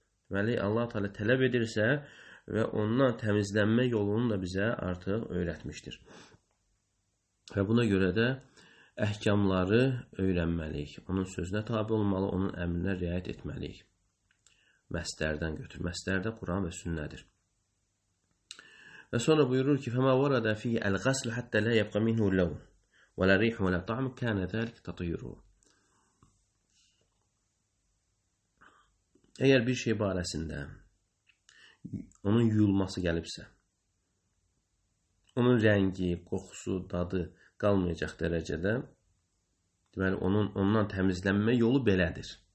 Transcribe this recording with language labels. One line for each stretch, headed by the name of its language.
Azerbaijani: Deməli, Allah-u Teala tələb edirsə və ondan təmizlənmə yolunu da bizə artıq öyrətmişdir. Və buna görə də əhkamları öyrənməliyik. Onun sözünə tabi olmalı, onun əmrinə riayət etməliyik. Məsdərdən götür. Məsdərdə Quran və sünnədir. Və sonra buyurur ki,
Arabic: فَمَا وَرَدَ فِي الْغَسْلُ حَتَّى لَا يَبْقَ مِنْهُ لَوْنُ وَلَا رِيحُ وَلَا طَعْمُ كَانَ ذَلِكَ تَطْهِيرُهُ.
Azerbaijani: Əgər bir şey barəsində onun yuyulması gəlibsə, onun rəngi, qoxusu, dadı qalmayacaq dərəcədə, deməli, ondan təmizlənmə yolu belədir.